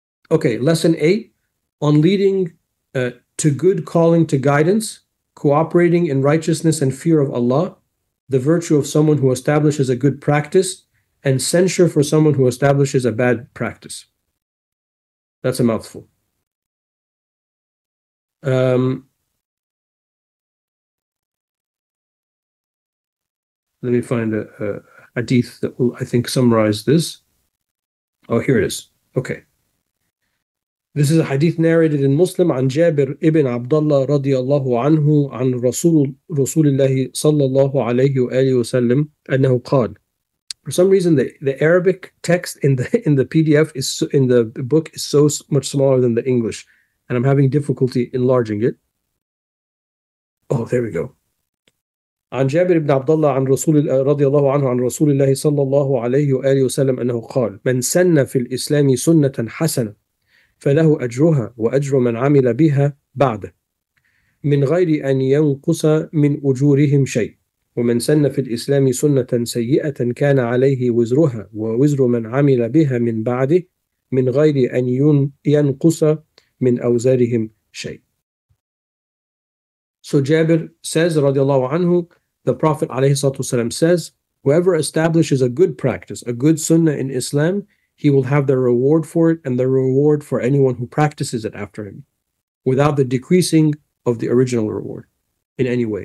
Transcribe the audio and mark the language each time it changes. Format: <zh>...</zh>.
<en>Okay, lesson 8, on leading to good calling to guidance, cooperating in righteousness and fear of Allah, the virtue of someone who establishes a good practice, and censure for someone who establishes a bad practice. That's a mouthful. Let me find a hadith that will, I think, summarize this. Oh, here it is. Okay. This is a hadith narrated in Muslim</en> <ar>عن جابر ابن عبد الله رضي الله عنه عن رسول الله صلى الله عليه وآله وسلم أنه قال.</ar> <en>For some reason, the Arabic text in the PDF is in the book is so much smaller than the English, and I'm having difficulty enlarging it. Oh, there we go.</en> <ar>عن جابر بن عبد الله عن رسول رضي الله عنه عن رسول الله صلى الله عليه وآله وسلم أنه قال من سن في الإسلام سنة حسنة فله أجرها وأجر من عمل بها بعده من غير أن ينقص من أجورهم شيء ومن سن في الإسلام سنة سيئة كان عليه وزرها ووزر من عمل بها من بعده من غير أن ينقص من أوزارهم شيء.</ar> <en>So Jabir says, رضي الله عنه, the Prophet عليه الصلاة والسلام says, whoever establishes a good practice, a good sunnah in Islam, he will have the reward for it and the reward for anyone who practices it after him, without the decreasing of the original reward in any way.</en>